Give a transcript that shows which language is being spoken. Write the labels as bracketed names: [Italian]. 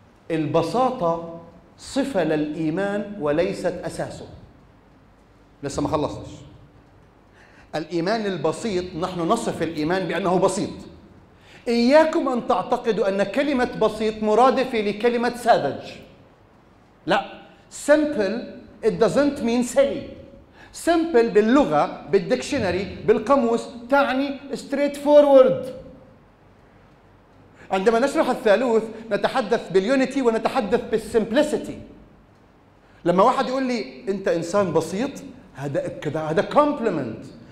[Arabic] البساطة صفة للإيمان وليست أساسه. لسه ما خلصتش. الإيمان البسيط، نحن نصف الإيمان بأنه بسيط. إياكم أن تعتقدوا أن كلمة بسيط مرادفة لكلمة ساذج. [English] لا، simple it doesn't mean silly. [Arabic] simple باللغة، بالدكشنري، بالقاموس، تعني straightforward. عندما نشرح الثالوث نتحدث باليونيتي ونتحدث بالسمبلسيتي. لما واحد يقول لي أنت إنسان بسيط، هذا compliment.